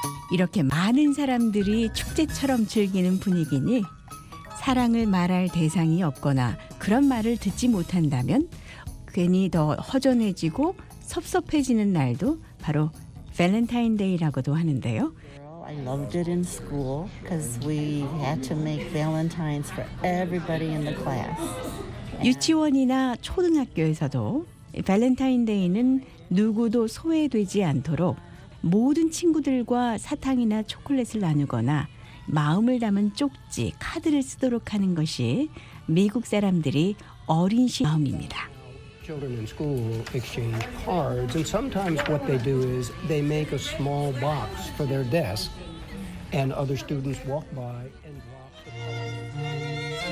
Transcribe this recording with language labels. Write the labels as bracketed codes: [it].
[ko] 이렇게 많은 사람들이 축제처럼 즐기는 분위기니 사랑을 말할 대상이 없거나 그런 말을 듣지 못한다면 괜히 더 허전해지고 섭섭해지는 날도 바로 밸런타인데이라고도 하는데요. [en] I loved it in school because we had to make Valentines for everybody in the class. [ko] 유치원이나 초등학교에서도 밸런타인데이는 누구도 소외되지 않도록 모든 친구들과 사탕이나 초콜릿을 나누거나 마음을 담은 쪽지, 카드를 쓰도록 하는 것이 미국 사람들이 어린 시 마음입니다. [en] Children in school exchange cards, and sometimes what they do is they make a small box for their desk, and other students walk by and drop the